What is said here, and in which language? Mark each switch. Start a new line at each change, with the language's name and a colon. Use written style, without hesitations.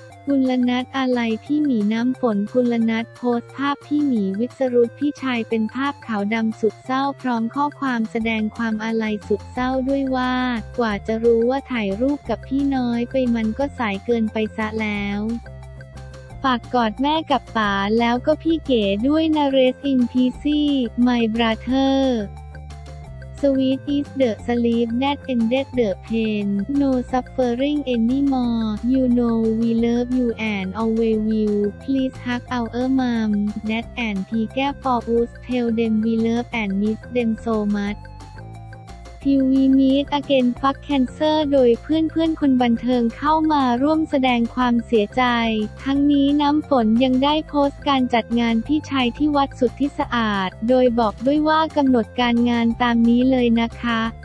Thai: กุลนัทอะไรพี่หมีน้ำฝนกุลนัทโพสต์ภาพพี่หมีวิษรุตพี่ชายเป็นภาพขาวดำสุดเศร้าพร้อมข้อความแสดงความอะไรสุดเศร้าด้วยว่ากว่าจะรู้ว่าถ่ายรูปกับพี่น้อยไปมันก็สายเกินไปซะแล้วฝากกอดแม่กับป๋าแล้วก็พี่เก๋ด้วยนะ
English: Rest in peace my brotherSweet is the sleep that ended the pain. No suffering anymore. You know we love you and always will. Please hug our mom, dad and Tiger for us. Tell them we love and miss them so much. Till we meet again fuck cancer
Thai: โดยเพื่อนๆคนบันเทิงเข้ามาร่วมแสดงความเสียใจทั้งนี้น้ำฝนยังได้โพสต์การจัดงานพี่ชายที่วัดสุทธิสะอาดโดยบอกด้วยว่ากำหนดการงานตามนี้เลยนะคะ